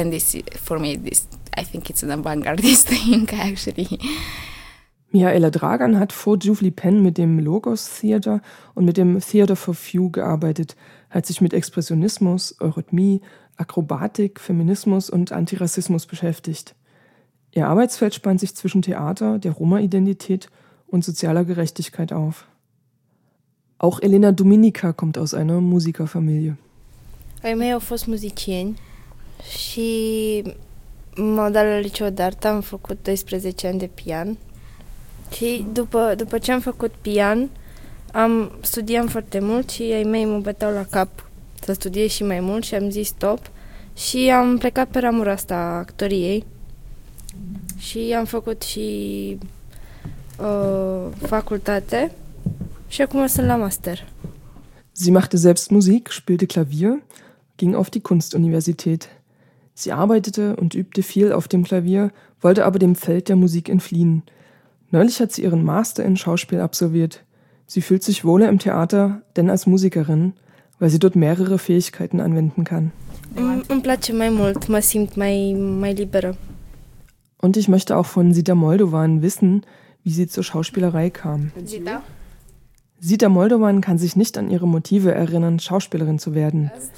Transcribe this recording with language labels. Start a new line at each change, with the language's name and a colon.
English: And this, for me, this, I think it's an avant-gardist thing, actually.
German: Mihaela Dragan hat vor Jufli Pen mit dem Logos Theater und mit dem Theater for Few gearbeitet, hat sich mit Expressionismus, Eurythmie, Akrobatik, Feminismus und Antirassismus beschäftigt. Ihr Arbeitsfeld spannt sich zwischen Theater, der Roma-Identität und sozialer Gerechtigkeit auf. Auch Elena Dominica kommt aus einer Musikerfamilie.
Romanian: Ai mei au fost muzicieni și modal la liceu de artă am făcut 12 ani de pian. Și după ce am făcut pian, studiam foarte mult și ai mei mă băteau la cap să studiez și mai mult și am zis stop. Și am plecat pe ramura asta a actoriei și am făcut și facultate și acum sunt la master.
German: Sie machte selbst Musik, spielte Klavier, ging auf die Kunstuniversität. Sie arbeitete und übte viel auf dem Klavier, wollte aber dem Feld der Musik entfliehen. Neulich hat sie ihren Master in Schauspiel absolviert. Sie fühlt sich wohler im Theater, denn als Musikerin, weil sie dort mehrere Fähigkeiten anwenden kann.
Romanian: Îmi place mai mult, mă simt mai liberă.
German: Und ich möchte auch von Zita Moldovan wissen, wie sie zur Schauspielerei kam. Zita? Zita Moldovan kann sich nicht an ihre Motive erinnern, Schauspielerin zu werden.